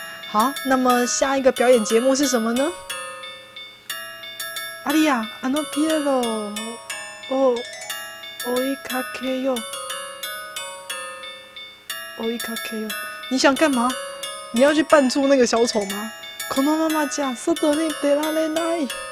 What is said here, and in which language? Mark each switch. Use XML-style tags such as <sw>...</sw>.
<zh>好，那么下一个表演节目是什么呢？</zh> <ja>阿莉亚，あのピエロを追いかけよう。追いかけよう。</ja> <zh>你想干嘛？你要去扮出那个小丑吗？</zh> <ja>このままじゃ外に出られない。</ja>